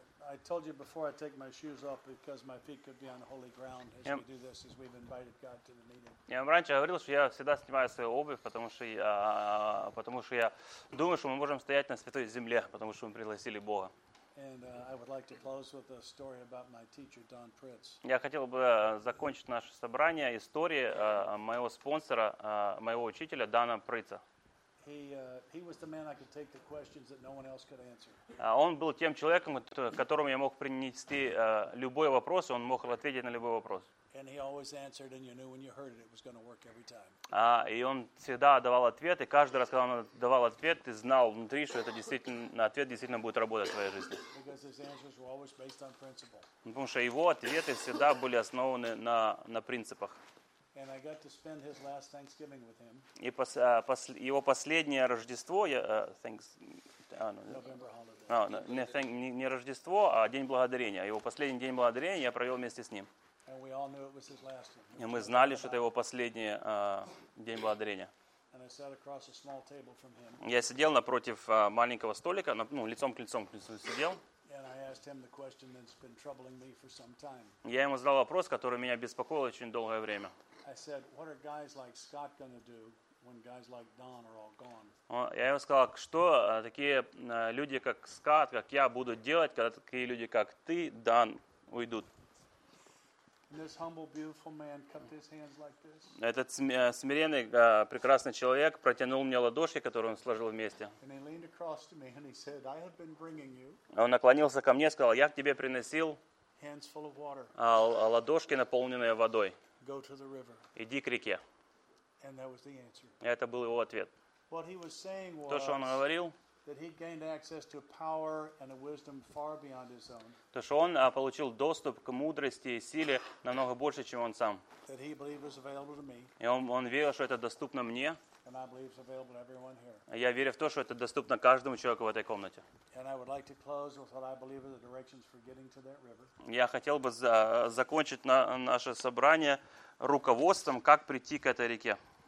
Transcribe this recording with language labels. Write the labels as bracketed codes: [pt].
[en] I told you before I take my shoes off because my feet could be on holy ground as we do this, as we've invited God to the meeting. [ru] Я вам раньше говорил, что я всегда снимаю свою обувь, потому что я думаю, что мы можем стоять на святой земле, потому что мы пригласили Бога. [en] And I would like to close with a story about my teacher Don Pritz. [ru] Я хотел бы закончить наше собрание историей моего спонсора, моего учителя Дана Притца. [en] He was the man I could take the questions that no one else could answer. [ru] Он был тем человеком, которому я мог принести любой вопрос, он мог ответить на любой вопрос. [en] And he always answered, and you knew when you heard it, it was going to work every time. [ru] И он всегда давал ответ, и каждый раз, когда он давал ответ, ты знал внутри, что это действительно ответ действительно будет работать в твоей жизни. [en] Because his answers were always based on principle. [ru] Потому что его ответы всегда были основаны на принципах. [en] And I got to spend his last Thanksgiving with him. [ru] И его последнее Рождество, не Рождество, а День Благодарения. Его последний День Благодарения я провел вместе с ним. [en] And we all knew it was his last one. [ru] И мы знали, что это его последний День Благодарения. [en] And I sat across a small table from him. [ru] Я сидел напротив маленького столика, лицом к лицу сидел. [en] And I asked him the question that's been troubling me for some time. [ru] Я ему задал вопрос, который меня беспокоил очень долгое время. [en] I said, what are guys like Scott going to do when guys like Don are all gone? [ru] Я ему сказал, что такие люди, как Скотт, как я, будут делать, когда такие люди, как ты, Дан, уйдут? [en] And this humble, beautiful man cupped his hands like this. [ru] Этот смиренный, прекрасный человек протянул мне ладошки, которые он сложил вместе. [en] And he leaned across to me and he said, I have been bringing you. [ru] Он наклонился ко мне и сказал, я к тебе приносил [en] hands full of water. [ru] Ладошки, наполненные водой. [en] Go to the river. [ru] Иди к реке. [en] And that was the answer. [ru] Это был его ответ. [en] What he was saying was, [ru] то, что он говорил, [en] that he gained access to power and a wisdom far beyond his own. [ru] То, что он получил доступ к мудрости и силе намного больше, чем он сам. [en] That he believed was available to me. [ru] И он верил, что это доступно мне. [en] And I believe it's available to everyone here. [ru] Я верю в то, что это доступно каждому человеку в этой комнате. [en] And I would like to close with what I believe are the directions for getting to that river. [ru] Я хотел бы закончить наше собрание руководством, как прийти к этой реке.